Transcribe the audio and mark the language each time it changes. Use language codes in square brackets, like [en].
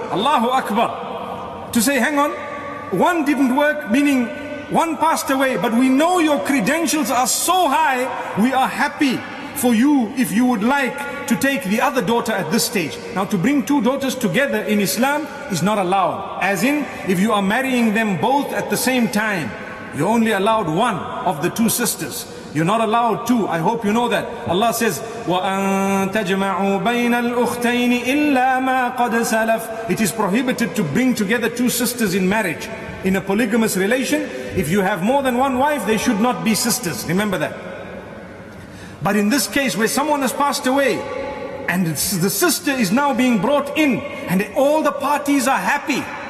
[en] Allahu Akbar. To say, hang on, one didn't work, meaning one passed away, but we know your credentials are so high, we are happy for you if you would like to take the other daughter at this stage. Now, to bring two daughters together in Islam is not allowed. As in, if you are marrying them both at the same time, you're only allowed one of the two sisters. You're not allowed to. I hope you know that. Allah says, [ar] وَأَن تَجْمَعُوا بَيْنَ الْأُخْتَيْنِ إِلَّا مَا قَدْ سَلَفْ. [en] It is prohibited to bring together two sisters in marriage. In a polygamous relation, if you have more than one wife, they should not be sisters. Remember that. But in this case where someone has passed away, and the sister is now being brought in, and all the parties are happy.